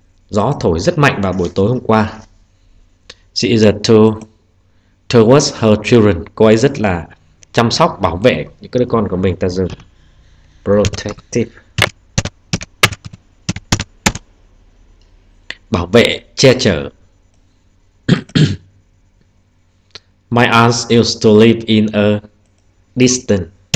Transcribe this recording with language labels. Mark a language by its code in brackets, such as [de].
[vi] Gió thổi rất mạnh vào buổi tối hôm qua. [en] She is a towards her children. [vi] Cô ấy rất là chăm sóc bảo vệ những cái đứa con của mình, ta dùng protective, bảo vệ, che chở. [en] My aunt used to live in a distant.